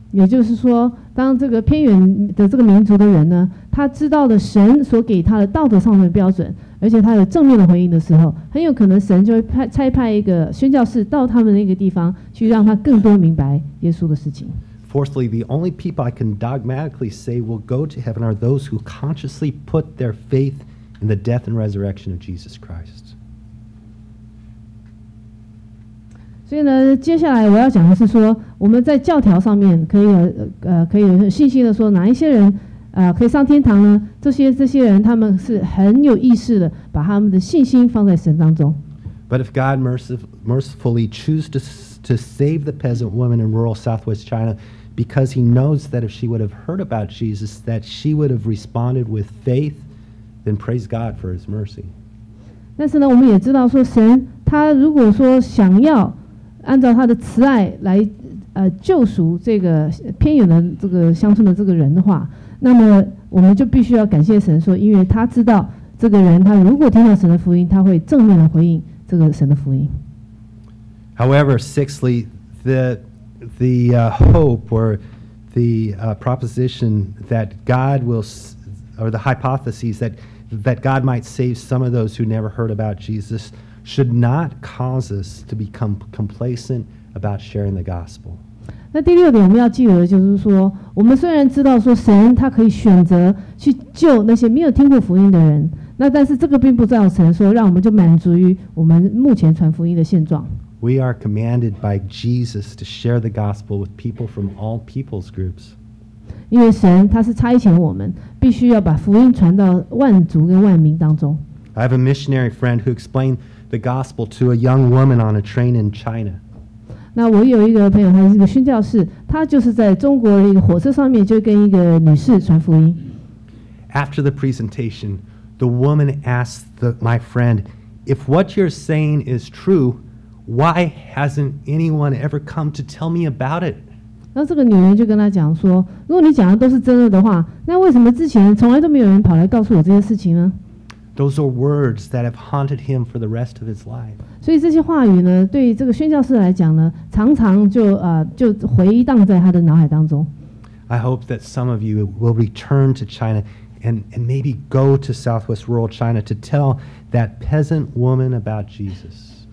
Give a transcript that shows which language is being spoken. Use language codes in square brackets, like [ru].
[zh] 也就是说，当这个偏远的这个民族的人呢，他知道了神所给他的道德上面的标准，而且他有正面的回应的时候，很有可能神就会差派一个宣教士到他们那个地方去，让他更多明白耶稣的事情。 [en] Fourthly, the only people I can dogmatically say will go to heaven are those who consciously put their faith in the death and resurrection of Jesus Christ. [zh] 所以呢，接下来我要讲的是说，我们在教条上面可以可以有信心的说，哪一些人可以上天堂呢？这些人他们是很有意识的，把他们的信心放在神当中。 [en] But if God mercifully chooses to save the peasant woman in rural southwest China, because he knows that if she would have heard about Jesus, that she would have responded with faith, then praise God for his mercy. [zh] 但是呢，我们也知道说神，他如果说想要按照他的慈爱来救赎这个偏远的这个乡村的这个人的话，那么我们就必须要感谢神说，因为他知道这个人他如果听到神的福音，他会正面的回应这个神的福音。 [en] However, sixthly, the hypothesis that God might save some of those who never heard about Jesus should not cause us to become complacent about sharing the gospel. [zh] 那第六点我们要记得的就是说，我们虽然知道说神他可以选择去救那些没有听过福音的人，那但是这个并不造成说让我们就满足于我们目前传福音的现状。 [en] We are commanded by Jesus to share the gospel with people from all people's groups. [zh] 因为神他是差遣我们，必须要把福音传到万族跟万民当中。 [en] I have a missionary friend who explained the gospel to a young woman on a train in China. [zh] 那我有一个朋友，他是一个宣教士，他就是在中国的一个火车上面就跟一个女士传福音。 [en] After the presentation, the woman asked my friend, "If what you're saying is true,why hasn't anyone ever come to tell me about it?" [zh] 那这个女人就跟她讲说，如果你讲的都是真的话，那为什么之前从来都没有人跑来告诉我这些事情呢？ [en] Those are words that have haunted him for the rest of his life. [zh] 所以这些话语呢，对于这个宣教士来讲呢，常常就回荡在他的脑海当中。 [en] I hope that some of you will return to China and maybe go to Southwest Rural China to tell that peasant woman about Jesus.